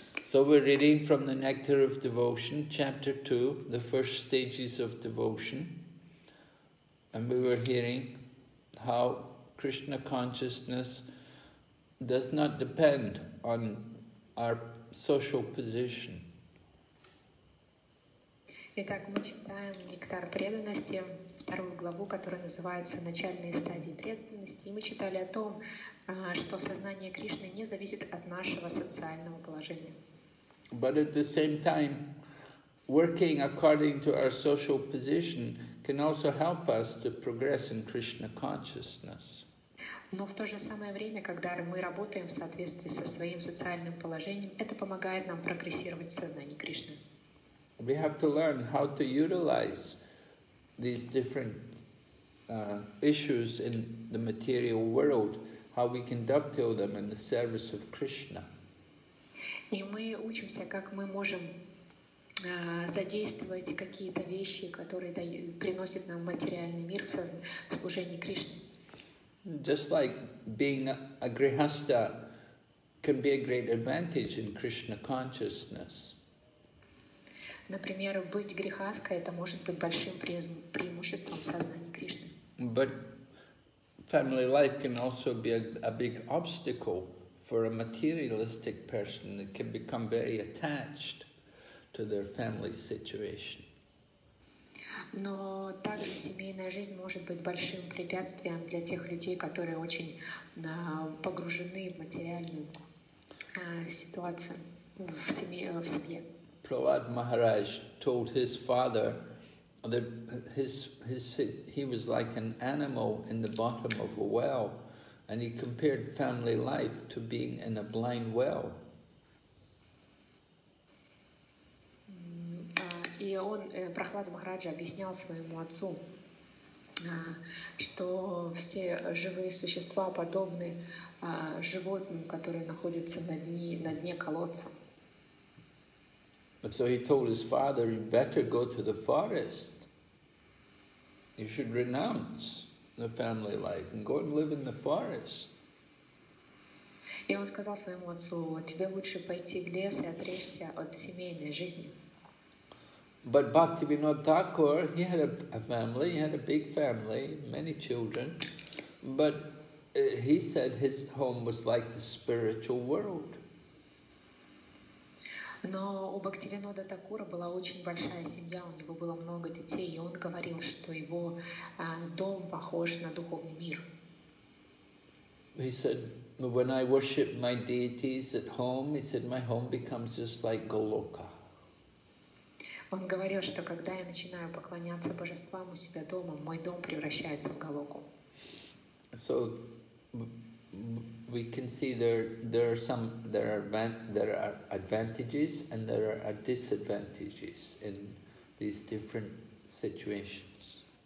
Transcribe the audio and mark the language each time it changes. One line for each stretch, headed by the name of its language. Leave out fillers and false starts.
English: So we're reading from the Nectar of Devotion, Chapter 2, the first stages of devotion. And we were hearing how Krishna consciousness does not depend on our social position.
Russian: Итак, мы читаем Нектар преданности, вторую главу, которая называется «Начальные стадии преданности». И мы читали о том, что сознание Кришны не зависит от нашего социального положения.
English: But at the same time, working according to our social position can also help us to progress in Krishna consciousness.
Russian: Но в то же самое время, когда мы работаем в соответствии со своим социальным положением, это помогает нам прогрессировать в сознании Кришны.
English: We have to learn how to utilize these different issues in the material world, how we can dovetail them in the service of Krishna.
Russian: И мы учимся, как мы можем задействовать какие-то вещи, которые приносят нам материальный мир в служении Кришне.
English: Just like being a grihastha can be a great advantage in Krishna consciousness.
Russian: Например, быть грихаской — это может быть большим преимуществом в сознании Кришны.
English: But family life can also be a big obstacle for a materialistic person that can become very attached to their family situation.
Russian: Но также семейная жизнь может быть большим препятствием для тех людей, которые очень погружены в материальную ситуацию в семье.
English: Prahlad Maharaj told his father that he was like an animal in the bottom of a well, and he compared family life to being in a blind well.
Russian: И он, Прохлад Махараджа, объяснял своему отцу, что все живые существа подобны животным, которые находятся на дне колодца.
English: But so he told his father, you better go to the forest. You should renounce the family life and go and live in the forest.
Russian: И он сказал своему отцу, тебе лучше пойти в лес и отречься от семейной жизни.
English: But Bhaktivinoda Thakur, he had a family, he had a big family, many children, but he said his home was like the spiritual world.
Russian: Но у Бхактивинода Такура была очень большая семья, у него было много детей, и он говорил, что его дом похож на духовный мир.
English: He said, when I worship my deities at home, he said, my home becomes just like Goloka.
Russian: Он говорил, что когда я начинаю поклоняться божествам у себя дома, мой дом превращается в Голоку.
English: So we can see there are advantages and there are disadvantages in these different situations.